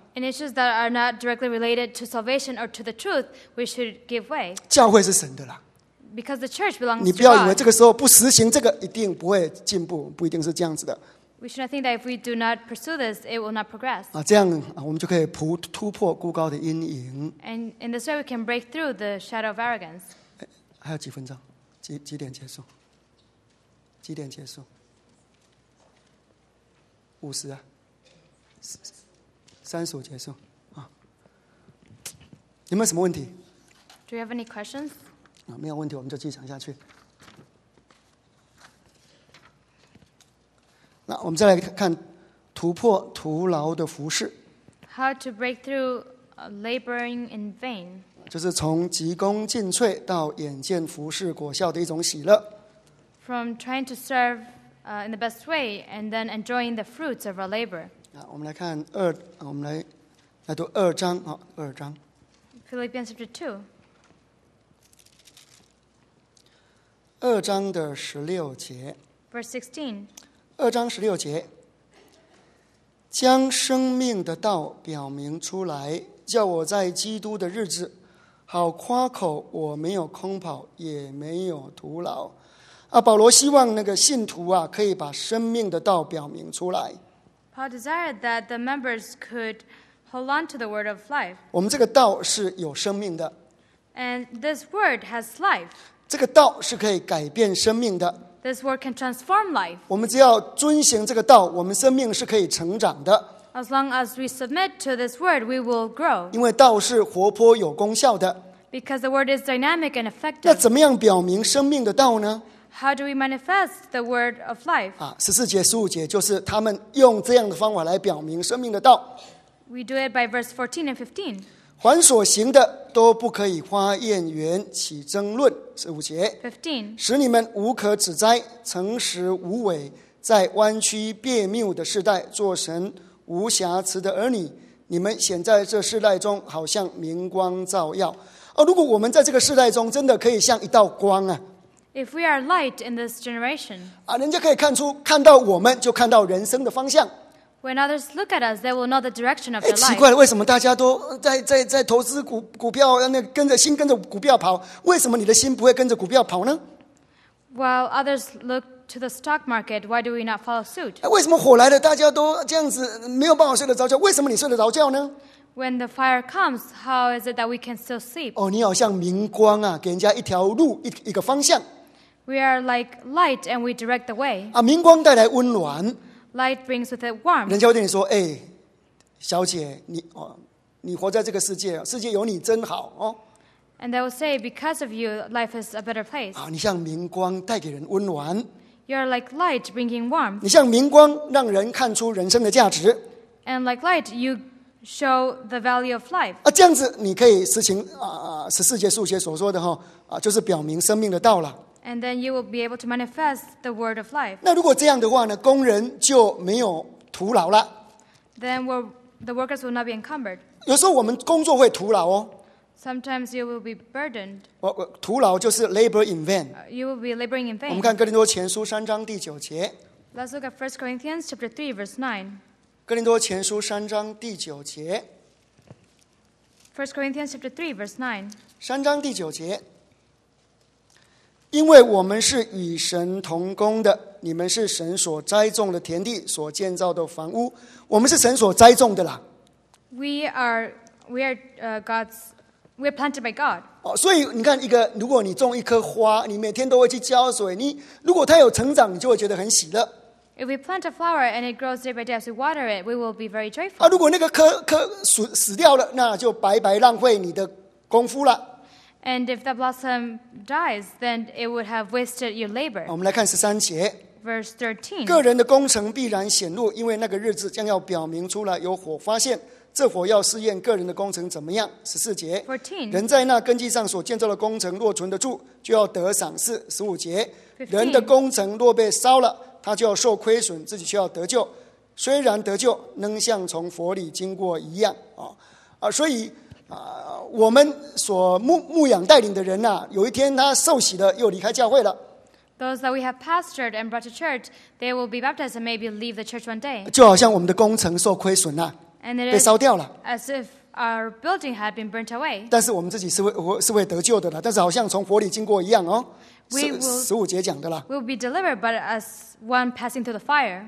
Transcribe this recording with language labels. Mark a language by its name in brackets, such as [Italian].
[English] And issues that are not directly related to salvation or to the truth, we should give way. [Chinese] 教会是神的啦。 [English] Because the church belongs to [Chinese] God. 你不要以为这个时候不实行这个一定不会进步，不一定是这样子的。 [English] We should not think that if we do not pursue this, it will not progress. [Chinese] 啊，这样我们就可以突破孤高的阴影。 [English] And in this way, we can break through the shadow of arrogance. [Chinese] 还有几分钟，几点结束？几点结束？五十啊，三十五结束啊。有没有什么问题 [English] ？Do you have any questions？ [Chinese] 啊，没有问题，我们就继续讲下去。那我们再来看突破徒劳的服事。 [English] How to break through laboring in vain？ [Chinese] 就是从急功近脆到眼见服事果效的一种喜乐。 [English] From trying to serve。 In the best way, and then enjoying the fruits of our labor. [Chinese] 啊，我们来看二，我们来读二章啊，二章。 [English] Philippians chapter two. [Chinese] 二章的十六节。 [English] Verse 16. [Chinese] 二章十六节，将生命的道表明出来，叫我在基督的日子好夸口，我没有空跑，也没有徒劳。啊，保罗希望那个信徒啊，可以把生命的道表明出来。 [English] Paul desired that the members could hold on to the word of life. [Chinese] 我们这个道是有生命的。 [English] And this word has life. [Chinese] 这个道是可以改变生命的。 [English] This word can transform life. [Chinese] 我们只要遵行这个道，我们生命是可以成长的。 [English] As long as we submit to this word, we will grow. [Chinese] 因为道是活泼有功效的。 [English] Because the word is dynamic and effective. [Chinese] 那怎么样表明生命的道呢？ [English] How do we manifest the word of life? [Chinese] 啊，十四节、十五节就是他们用这样的方法来表明生命的道。 [English] We do it by verse 14 and 15. [Chinese] 凡所行的都不可以夸言圆起争论。十五节。 [English] 15. [Chinese] 使你们无可指摘，诚实无伪，在弯曲变谬的世代做神无瑕疵的儿女，你们显在这世代中好像明光照耀。哦，如果我们在这个世代中真的可以像一道光啊。 [English] If we are light in this generation, [Chinese] 啊，人家可以看出，看到我们就看到人生的方向。 [English] When others look at us, they will know the direction of their life. [Chinese] 奇怪了，为什么大家都在投资股票，那跟着心跟着股票跑？为什么你的心不会跟着股票跑呢？ [English] While others look to the stock market, why do we not follow suit? [Chinese] 为什么火来了，大家都这样子没有办法睡得着觉？为什么你睡得着觉呢？ [English] When the fire comes, how is it that we can still sleep? [Chinese] 哦，你好像明光啊，给人家一条路，一个方向。 [English] We are like light, and we direct the way. [Chinese] 啊，明光带来温暖。 [English] Light brings with it warmth. [Chinese] 人家会对你说：“哎，小姐，你活在这个世界，世界有你真好哦。” [English] And they will say, "Because of you, life is a better place." [Chinese] 啊，你像明光带给人温暖。 [English] You are like light, bringing warmth. [Chinese] 你像明光，让人看出人生的价值。 [English] And like light, you. Show the value of life. [Chinese] 啊，这样子你可以实行啊，十四节、十五节所说的哈啊，就是表明生命的道了。 [English] And then you will be able to manifest the word of life. [Chinese] 那如果这样的话呢，工人就没有徒劳了。 [English] Then the workers will not be encumbered. [Chinese] 有时候我们工作会徒劳哦。 [English] Sometimes you will be burdened. [Chinese] 徒劳就是 [English] labor in vain. You will be laboring in vain. [Chinese] 我们看哥林多前书三章第九节。 [English] Let's look at 1 Corinthians chapter 3 verse 9. [Chinese] 哥林多前书三章第九节。 [English] First Corinthians chapter three, verse nine. [Chinese] 三章第九节，因为我们是与神同工的，你们是神所栽种的田地，所建造的房屋。我们是神所栽种的啦。 [English] We are we are God's. We're planted by God. [Chinese] 所以你看一个，如果你种一棵花，你每天都会去浇水，你如果它有成长，你就会觉得很喜乐。 [English] If we plant a flower and it grows day by day as we water it, we will be very joyful. [Chinese] 如果那个棵死掉了，那就白白浪费你的功夫了。 [English] And if the blossom dies, then it would have wasted your labor. [Chinese] 我们来看十三节。 [English] Verse 13. [Chinese] 个人的工程必然显露，因为那个日子将要表明出来，有火发现。这火要试验个人的工程怎么样。十四节。 [English] 14. [Chinese] 人在那根基上所建造的工程若存得住，就要得赏赐。十五节。人的工程若被烧了，他就要受亏损，自己却要得救。虽然得救，能像从火里经过一样。所以我们所牧养带领的人啊，有一天他受洗了，又离开教会了。 [English] Those that we have pastored and brought to church, they will be baptized and maybe leave the church one day. [Chinese] 就好像我们的工程受亏损了， [English] and it [Chinese] 被烧掉了。 [English] As if our building had been burnt away. [Chinese] 但是我们自己是会得救的了，但是好像从火里经过一样哦。十五节讲的了。 [English] We will be delivered, but as one passing through the fire.